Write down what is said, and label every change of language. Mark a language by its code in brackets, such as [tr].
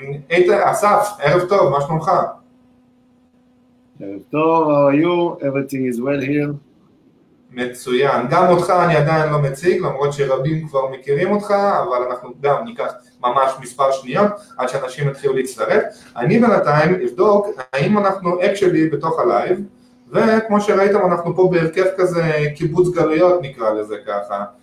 [he] Eytan, Asaf, ערב טוב, מה שלומך? ערב טוב, [en] how are you? Everything is well here. [he] מצוין. גם אותך אני עדיין לא מציג, למרות שרבים כבר מכירים אותך, אבל אנחנו גם ניקח ממש מספר שניות עד שאנשים יתחילו להצטרף. אני בינתיים אבדוק האם אנחנו actually בתוך הלייב, וכמו שראיתם אנחנו פה בהרכב כזה קיבוץ גלויות נקרא לזה ככה.